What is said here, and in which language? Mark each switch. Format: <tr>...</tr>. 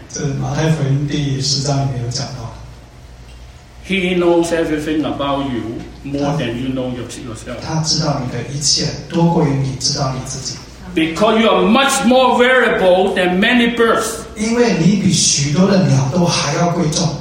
<zh>这马太福音第十章里面有讲到,</zh> <en>he knows everything about you more than you know yourself.</en> <zh>他知道你的一切多过于你知道你自己。</zh> <en>Because you are much more valuable than many birds.</en> <zh>因为你比许多的鸟都还要贵重。</zh>